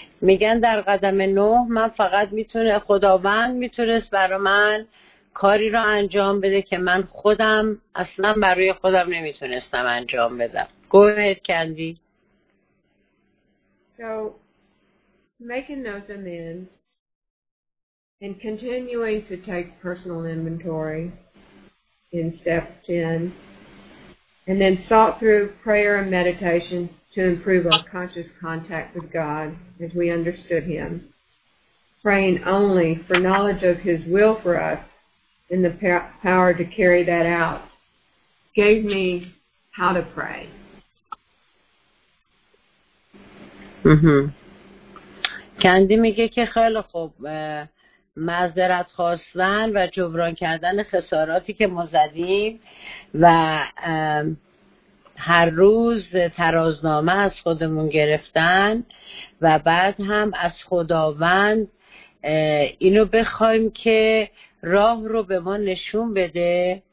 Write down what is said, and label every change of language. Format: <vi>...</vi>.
<fa>میگن در قدم 9 من فقط میتونه، خداوند میتونست برای من کاری رو انجام بده که من خودم اصلا برای خودم نمیتونستم انجام بدم.</fa> <en>Go ahead, Candy. So, making those amends and continuing to take personal inventory in step 10, and then sought through prayer and meditation to improve our conscious contact with God as we understood Him, praying only for knowledge of His will for us and the power to carry that out, gave me how to pray.</en> <fa>کندی میگه که خیلی خوب معذرت خواستن و جبران کردن خساراتی که ما زدیم و هر روز ترازنامه از خودمون گرفتن و بعد هم از خداوند اینو بخوایم که راه رو به ما نشون بده.</fa>